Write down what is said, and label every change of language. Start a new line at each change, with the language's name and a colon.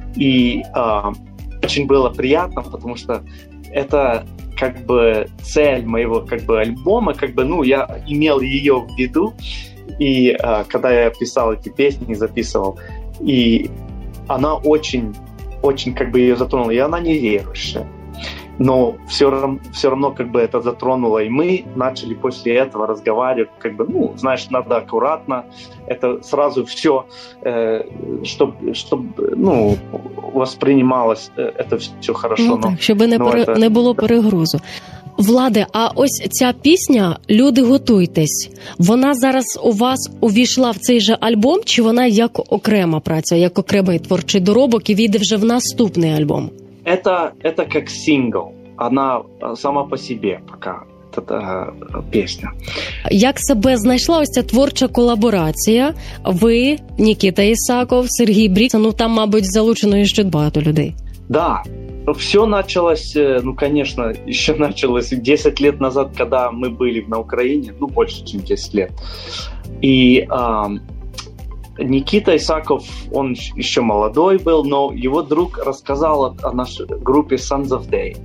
Russian: И очень было приятно, потому что это как бы цель моего как бы альбома, как бы, ну, я имел ее в виду, и когда я писал эти песни, записывал, и она очень, очень как бы ее затронула, и она неверующая. Но все равно как бы это затронуло, и мы начали после этого разговаривать, как бы, ну, знаешь, надо аккуратно, это сразу все, чтобы ну, воспринималось это все хорошо.
Ukrainian: Ну, так, щоб не було перегрузу. Владе, а ось ця пісня «Люди, готуйтесь», вона зараз у вас увійшла в цей же альбом, чи вона як окрема праця, як окремий творчий доробок і війде вже в наступний альбом?
Russian: Это как сингл. Она сама по себе пока, эта песня.
Ukrainian: Як себе знайшла ось ця творча колаборація? Ви, Нікіта Ісаков, Сергій Брік, ну там, мабуть, залучено ще багато людей.
Russian: Да. Все началось, ну, конечно, еще началось 10 лет назад, когда мы были на Украине, ну, больше, чем 10 лет. И Никита Исаков, он еще молодой был, но его друг рассказал о нашей группе Sons of Day.